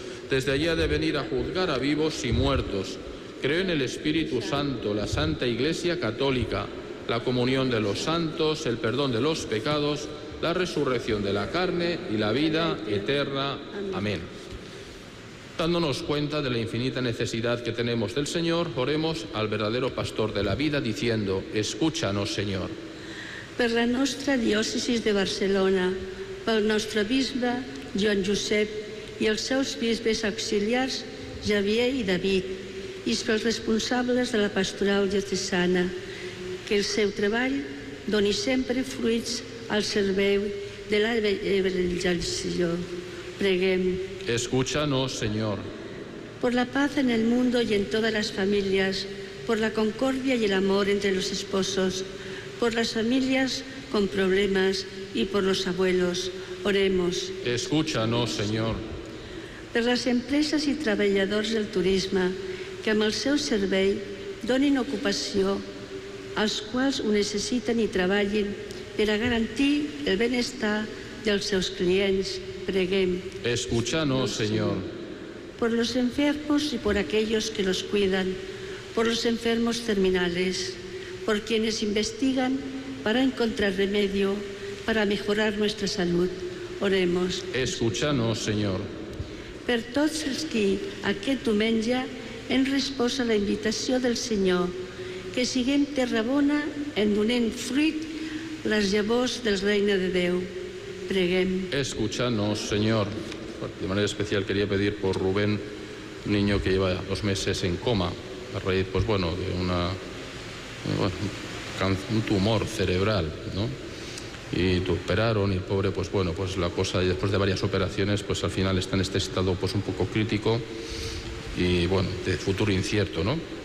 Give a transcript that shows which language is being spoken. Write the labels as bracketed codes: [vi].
[es] Desde allí ha de venir a juzgar a vivos y muertos. Creo en el Espíritu Santo, la Santa Iglesia Católica, la comunión de los santos, el perdón de los pecados, la resurrección de la carne y la vida eterna. Amén. Dándonos cuenta de la infinita necesidad que tenemos del Señor, oremos al verdadero pastor de la vida diciendo, escúchanos, Señor. [ca] Per la nostra diòcesi de Barcelona, pel nostre bisbe Joan Josep i els seus bisbes auxiliars Javier i David, i pels responsables de la pastoral diocesana, que el seu treball doni sempre fruits al servei de la evangelització. Preguem. [es] Escúchanos, Señor. Por la paz en el mundo y en todas las familias, por la concordia y el amor entre los esposos, por las familias con problemas y por los abuelos, oremos. Escúchanos, Señor. [ca] Per les empreses i treballadors del turisme, que amb el seu servei donin ocupació als quals ho necessiten i treballin per a garantir el benestar dels seus clients, preguem. [es] Escúchanos, Señor. por los enfermos y por aquellos que los cuidan, por los enfermos terminales, por quienes investigan para encontrar remedio, para mejorar nuestra salud. Oremos. Escúchanos, Señor. [ca] Per tots els qui aquest diumenge hem respost a la invitació del Senyor, que siguem terra bona en donant fruit les llavors del Reina de Déu. Preguem. [es] Escúchanos, Señor. De manera especial quería pedir por Rubén, un niño que lleva 2 meses en coma, a raíz, pues bueno, de una... Bueno, un tumor cerebral, ¿no? Y te operaron y el pobre, pues bueno, pues la cosa, después de varias operaciones, pues al final está en este estado pues un poco crítico y bueno, de futuro incierto, ¿no?